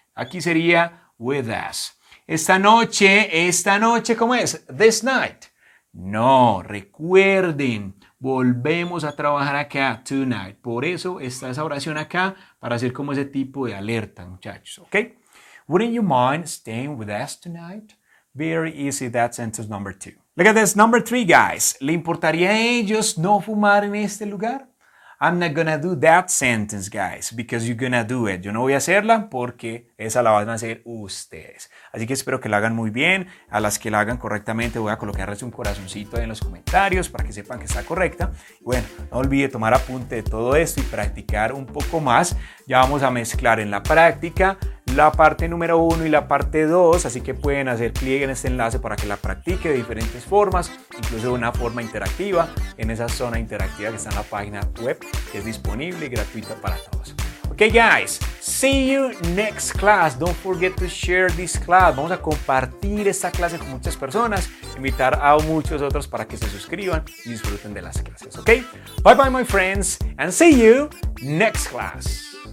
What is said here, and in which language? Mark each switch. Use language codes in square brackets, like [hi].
[es] Aquí sería with us. Esta noche, ¿cómo es? This night. No, recuerden, volvemos a trabajar acá, tonight. Por eso está esa oración acá, para hacer como ese tipo de alerta, muchachos, ¿ok? [en] Wouldn't you mind staying with us tonight? Very easy, that's sentence number two. Look at this, number three, guys. [es] ¿Le importaría a ellos no fumar en este lugar? [en] I'm not gonna do that sentence, guys, because you're gonna do it. [es] Yo no voy a hacerla porque esa la van a hacer ustedes. Así que espero que la hagan muy bien. A las que la hagan correctamente, voy a colocarles un corazoncito ahí en los comentarios para que sepan que está correcta. Bueno, no olvide tomar apunte de todo esto y practicar un poco más. Ya vamos a mezclar en la práctica la parte número 1 y la parte 2, así que pueden hacer clic en este enlace para que la practique de diferentes formas, incluso de una forma interactiva, en esa zona interactiva que está en la página web, que es disponible y gratuita para todos. [en] Ok, guys, see you next class. Don't forget to share this class. [es] Vamos a compartir esta clase con muchas personas, invitar a muchos otros para que se suscriban y disfruten de las clases, ok? [en] Bye bye, my friends, and see you next class.